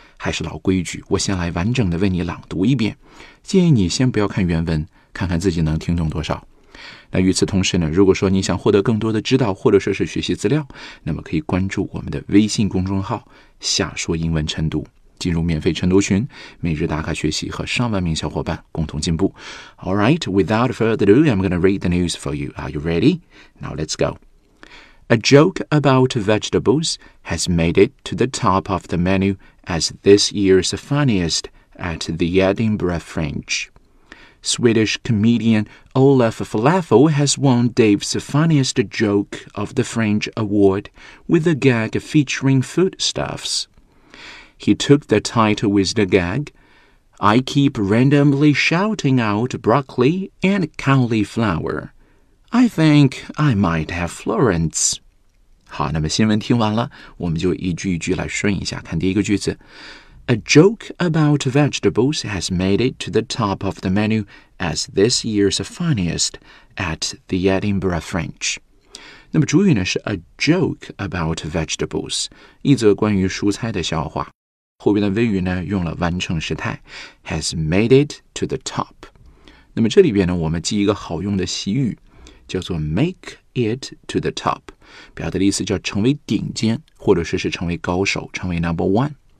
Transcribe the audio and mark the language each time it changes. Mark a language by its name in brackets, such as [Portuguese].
[Chinese] 还是老规矩，我先来完整的为你朗读一遍，建议你先不要看原文，看看自己能听懂多少。那与此同时呢，如果说你想获得更多的指导或者说是学习资料，那么可以关注我们的微信公众号夏说英文晨读，进入免费晨读群，每日打卡学习，和上万名小伙伴共同进步。 [English] Alright, without further ado, I'm going to read the news for you. Are you ready? Now let's go. A joke about vegetables has made it to the top of the menu as this year's funniest at the Edinburgh Fringe. Swedish comedian Olaf Falafel has won Dave's Funniest Joke of the Fringe Award with a gag featuring foodstuffs. He took the title with the gag, I keep randomly shouting out broccoli and cauliflower. I think I might have Florence. [Chinese] 好，那么新闻听完了，我们就一句一句来顺一下，看第一个句子。 [English] A joke about vegetables has made it to the top of the menu as this year's funniest at the Edinburgh Fringe. [Chinese] 那么主语呢是 [English] a joke about vegetables, [Chinese] 一则关于蔬菜的笑话。后边的谓语呢用了完成时态 [English] has made it to the top。 [Chinese] 那么这里边呢我们记一个好用的习语叫做 [English] make it to the top, [Chinese] 表达的意思叫成为顶尖或者是成为高手，成为 number one。